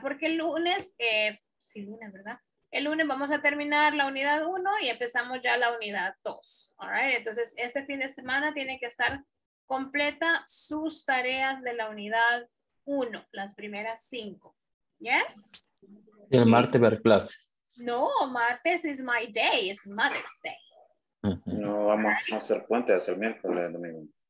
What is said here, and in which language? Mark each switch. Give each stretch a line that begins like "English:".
Spanish: Porque el lunes, sí, lunes, ¿verdad? El lunes vamos a terminar la unidad 1 y empezamos ya la unidad 2.
English: All right?
Spanish: Entonces, este fin de semana tiene que estar completa sus tareas de la unidad 1, las primeras 5.
English: Yes?
Spanish: ¿Y el martes ver clase?
English: No,
Spanish: martes
English: is my day, it's Mother's Day.
Spanish: No, vamos a hacer puente, a hacer miércoles, domingo.